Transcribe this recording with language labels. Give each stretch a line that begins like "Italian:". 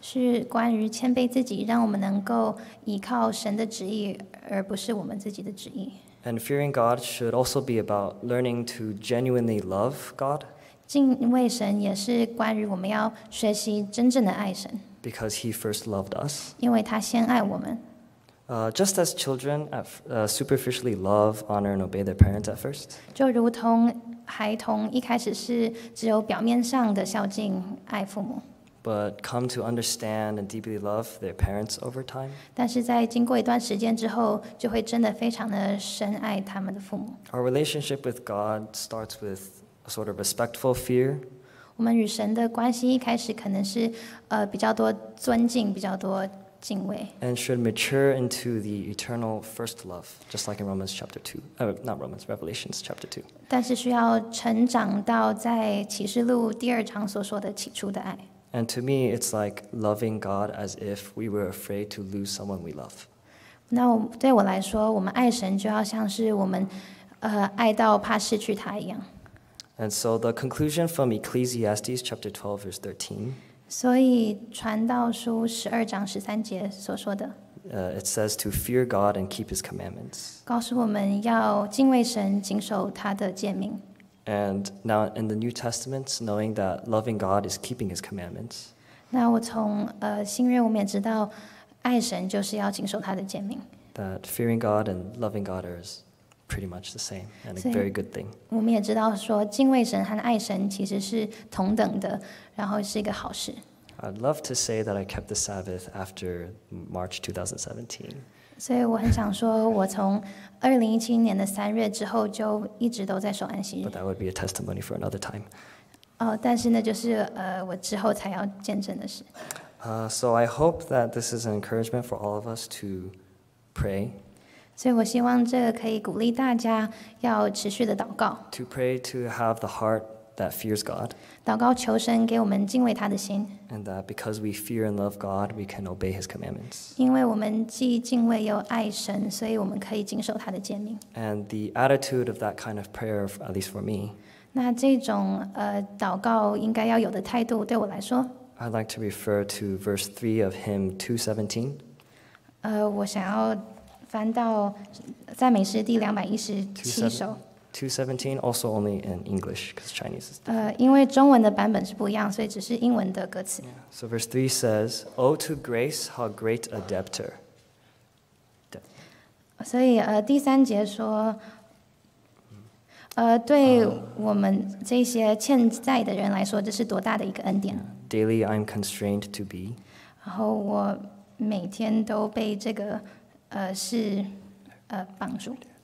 Chinese: 是关于谦卑自己，让我们能够依靠神的旨意，而不是我们自己的旨意。
English: And fearing God should also be about learning to genuinely love God.
Chinese: 敬畏神也是关于我们要学习真正的爱神。
English: Because He first loved us.
Chinese: 因为他先爱我们。
English: Just as children superficially love, honor, and obey their parents at first,
Chinese: 就如同孩童一开始是只有表面上的孝敬爱父母。
English: But come to understand and deeply love their parents over time.
Chinese: 但是在经过一段时间之后，就会真的非常的深爱他们的父母。
English: Our relationship with God starts with a sort of respectful fear.
Chinese: 我们与神的关系一开始可能是比较多尊敬，比较多。
English: And should mature into the eternal first love, just like in Romans chapter 2, Revelations chapter 2.
Chinese: 但是需要成长到在启示录第二章所说的起初的爱。
English: And to me, it's like loving God as if we were afraid to lose someone we love.
Chinese: 那对我来说，我们爱神就要像是我们，爱到怕失去他一样。
English: And so the conclusion from Ecclesiastes chapter 12 verse 13.
Chinese: 所以传道书十二章十三节所说的。
English: It says to fear God and keep His commandments.
Chinese: 告诉我们要敬畏神，谨守他的诫命。
English: And now in the New Testament, knowing that loving God is keeping His commandments.
Chinese: 那我从新约我们也知道，爱神就是要谨守他的诫命。
English: That fearing God and loving God are pretty much the same and a very good thing.
Chinese: 我们也知道说敬畏神和爱神其实是同等的，然后是一个好事。
English: I'd love to say that I kept the Sabbath after March 2017.
Chinese: 所以我很想说我从2017年的三月之后就一直都在守安息日。
English: But that would be a testimony for another time.
Chinese: 但是那就是我之后才要见证的事。
English: So I hope that this is an encouragement for all of us to pray.
Chinese: 所以我希望这可以鼓励大家要持续的祷告。
English: To pray to have the heart that fears God.
Chinese: 祷告求神给我们敬畏他的心。
English: And that because we fear and love God, we can obey His commandments.
Chinese: 因为我们既敬畏又爱神，所以我们可以谨守他的诫命。
English: And the attitude of that kind of prayer, at least for me.
Chinese: 那这种祷告应该要有的态度，对我来说。
English: I'd like to refer to verse 3 of hymn 217.
Chinese: 我想要翻到赞美诗第217首。
English: 217 also only in English because Chinese is different.
Chinese: 因为中文的版本是不一样，所以只是英文的歌词。
English: Yeah. So verse 3 says, O to grace, how great a debtor.
Chinese: 所以第三节说对我们这些欠债的人来说，这是多大的一个恩典。
English: Yeah. Daily, I'm constrained to be.
Chinese: 然后我每天都被这个是绑住。